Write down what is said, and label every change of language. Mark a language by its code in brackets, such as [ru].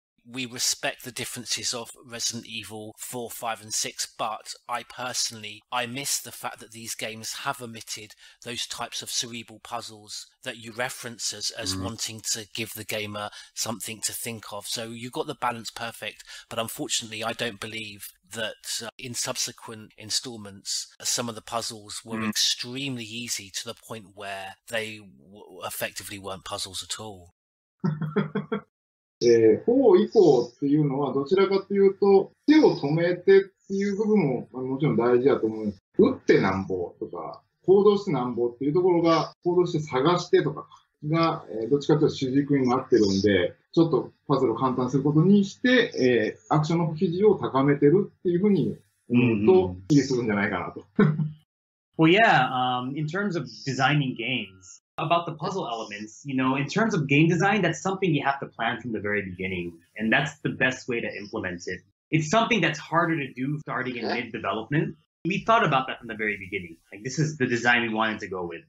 [en] We respect the differences of Resident Evil 4, 5, and 6, but I personally miss the fact that these games have omitted those types of cerebral puzzles that you reference as wanting to give the gamer something to think of. So you got the balance perfect, but unfortunately I don't believe that in subsequent installments, some of the puzzles were extremely easy to the point where they effectively weren't puzzles at all. [ja] 4以降っていうのはどちらかというと手を止めてっていう部分も、まあ、もちろん大事だと思う。打ってなんぼとか行動してなんぼっていうところが行動して探してとかが、どっちかというと主軸になってるんで、ちょっとパズルを簡単することにして、アクションの比重を高めてるっていうふうに思うと、いいするんじゃないかなと。 [en] Well, yeah, in terms of designing games. About the puzzle elements, you know, in terms of game design, that's something you have to plan from the very beginning. And that's the best way to implement it. It's something that's harder to do starting in mid-development. We thought about that from the very beginning. Like, this is the design we wanted to go with.